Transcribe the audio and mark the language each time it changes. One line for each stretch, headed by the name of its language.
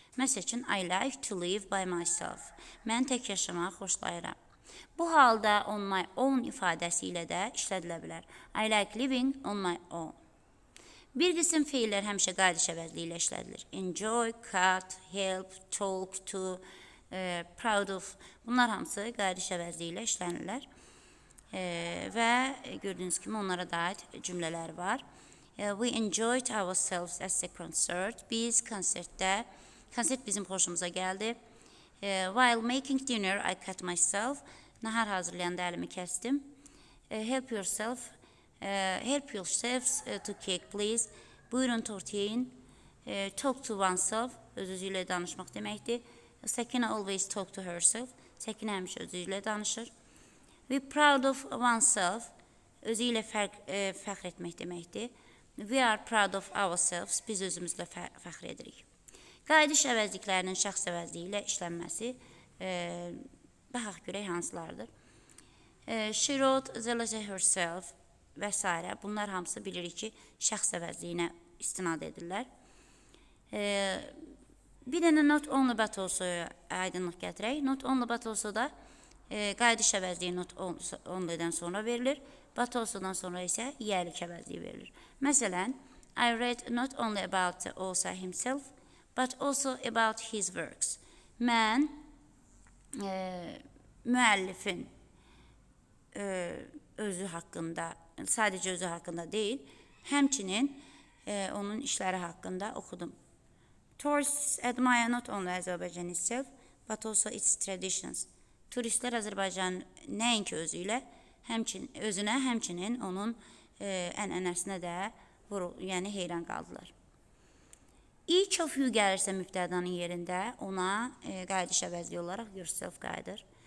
Azerbaijani: Məsəl üçün,
English: I like to live by myself.
Azerbaijani: Mən tək yaşamağı xoşlayıram. Bu halda
English: on my own
Azerbaijani: ifadəsi ilə də işlədilə bilər.
English: I like living on my own.
Azerbaijani: Bir qisim feillər həmişə qayıdış əvəzliyi ilə işlədilir.
English: Enjoy, cut, help, talk to, proud of.
Azerbaijani: Bunlar hamısı qayıdış əvəzliyi ilə işlənirlər. Və gördüyünüz kimi onlara dair cümlələr var.
English: We enjoyed ourselves at the concert.
Azerbaijani: Biz konsert bizim xoşumuza gəldi.
English: While making dinner, I cut myself.
Azerbaijani: Nahar hazırlayanda əlimi kəstim.
English: Help yourself. Help yourselves to cake, please.
Azerbaijani: Buyurun, tort yeyin.
English: Talk to oneself.
Azerbaijani: Öz-özü ilə danışmaq deməkdir.
English: Sakina always talk to herself.
Azerbaijani: Sakina həmişə öz-özü ilə danışır.
English: Be proud of oneself.
Azerbaijani: Özü ilə fəxr etmək deməkdir.
English: We are proud of ourselves.
Azerbaijani: Biz özümüzlə fəxr edirik. Qayıdış əvəzliklərinin şəxs əvəzliyi ilə işlənməsi baxaq görək hansılardır.
English: She wrote the letter herself
Azerbaijani: və s. Bunlar hamısı bilirik ki, şəxs əvəzliyinə istinad edirlər. Bir dənə not only but also aydınlıq gətirək. Not only but also da qayıdış əvəzliyi not only-dən sonra verilir. But also-dan sonra isə yəlik əvəzliyi verilir. Məsələn,
English: I read not only about the author himself, but also about his works.
Azerbaijani: Mən müəllifin özü haqqında, sadəcə özü haqqında deyil, həmçinin onun işləri haqqında oxudum.
English: Tourists admire not only Azerbaijan itself, but also its traditions.
Azerbaijani: Turistler Azərbaycan nəinki özü ilə, özünə, həmçinin onun ənənəsinə də yəni heyran qaldılar.
English: Each of you
Azerbaijani: gəlirsə müftədanın yerində, ona qayıdış əvəzliyi olaraq yourself qayıdır.